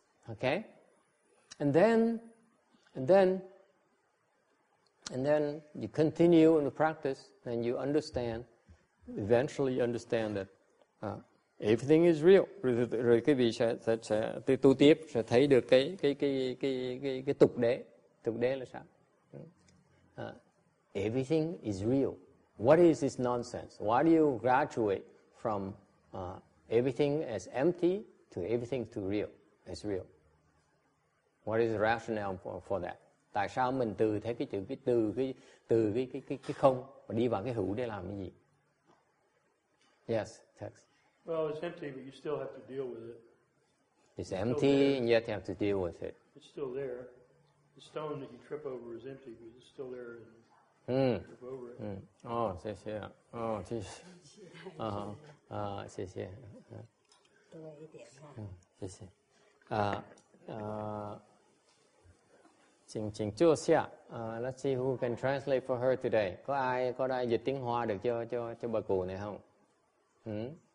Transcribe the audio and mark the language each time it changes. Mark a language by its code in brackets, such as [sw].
[en] Okay, and then you continue in the practice, and you understand. Eventually understand that everything is real. [vi] Rồi quý vị sẽ tu tiếp, sẽ thấy được cái tục đế. Tục đế là sao? [en] Everything is real. What is this nonsense? Why do you graduate from everything as empty to everything to real? It's real. What is the rationale for that? [vi] Tại sao mình từ thấy cái chữ cái không mà đi vào cái hữu để làm cái gì? [en] Yes, text. Well, it's empty, but you still have to deal with it. It's empty, and yet you have to deal with it. It's still there. the stone that you trip over is empty, but it's still there and trip over it. Oh, thank you. Oh, thank you. Thank you. [zh] 请坐下. [en] Let's see who can translate for her today. [vi] Có ai dịch tiếng Hoa được cho bà cụ này không?